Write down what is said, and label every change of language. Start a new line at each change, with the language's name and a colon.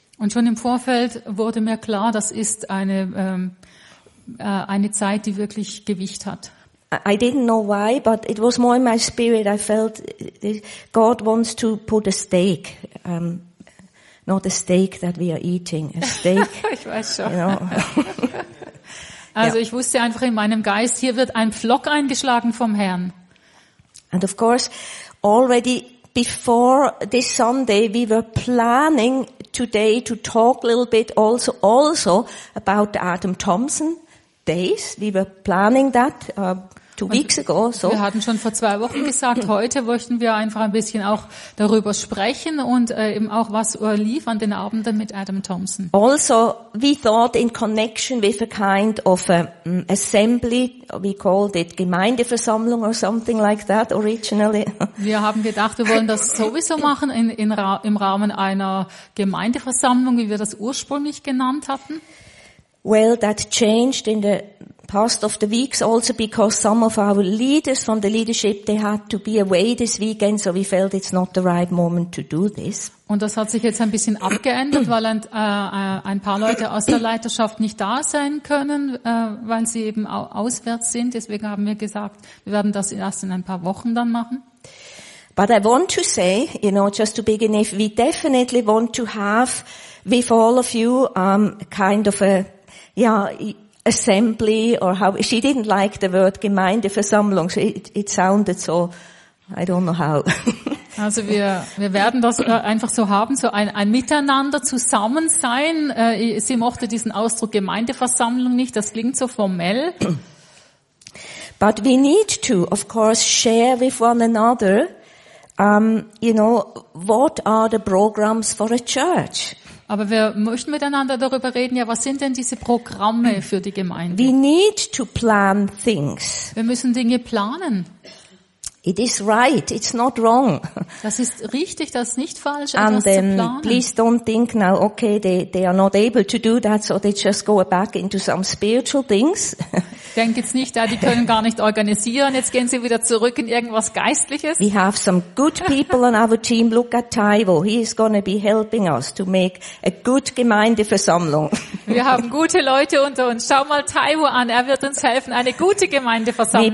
German: Und schon im Vorfeld wurde mir klar, das ist eine Zeit, die wirklich Gewicht hat.
English: I didn't know why, but it was more in my spirit. I felt God wants to put a steak, not a steak that we are eating, a steak.
German: Ich weiß schon.
English: You know.
German: Also ja. Ich wusste einfach in meinem Geist, hier wird ein Pflock eingeschlagen vom Herrn.
English: And of course, already before this Sunday, we were planning today to talk a little bit also about the Adam Thompson days. We were planning that 2 weeks ago. So.
German: Wir hatten schon vor 2 Wochen gesagt, heute möchten wir einfach ein bisschen auch darüber sprechen und eben auch was lief an den Abenden mit Adam Thompson.
English: Also, we thought in connection with a kind of a, assembly, we called it Gemeindeversammlung or something like that originally.
German: Wir haben gedacht, wir wollen das sowieso machen im Rahmen einer Gemeindeversammlung, wie wir das ursprünglich genannt hatten.
English: Well, that changed in the past of the weeks also because some of our leaders from the leadership, they had to be away this weekend, so we felt it's not the right moment to do this.
German: Und das hat sich jetzt ein bisschen abgeändert, weil ein paar Leute aus der Leiterschaft nicht da sein können, weil sie eben auswärts sind. Deswegen haben wir gesagt, wir werden das erst in ein paar Wochen dann machen.
English: But I want to say, you know, just to begin with, we definitely want to have with all of you kind of a, yeah, assembly, or how, she didn't like the word Gemeindeversammlung, so it sounded so, I don't know how.
German: Also wir werden das einfach so haben, so ein Miteinander zusammen sein. Sie mochte diesen Ausdruck Gemeindeversammlung nicht, das klingt so formell.
English: But we need to, of course, share with one another, you know, what are the programs for a church?
German: Aber wir möchten miteinander darüber reden, ja, was sind denn diese Programme für die Gemeinde?
English: We need to plan things.
German: Wir müssen Dinge planen.
English: It is right, it's not wrong.
German: Das ist richtig, das ist nicht falsch,
English: and
German: etwas zu planen.
English: Please don't think now, okay, they are not able to do that, so they just go back into some spiritual things.
German: Denk jetzt nicht, ja, die können gar nicht organisieren, jetzt gehen sie wieder zurück in irgendwas Geistliches.
English: We have some good people on our team, look at Taiwo, he is going to be helping us to make a good Gemeindeversammlung.
German: Wir haben gute Leute unter uns, schau mal Taiwo an, er wird uns helfen, eine gute Gemeindeversammlung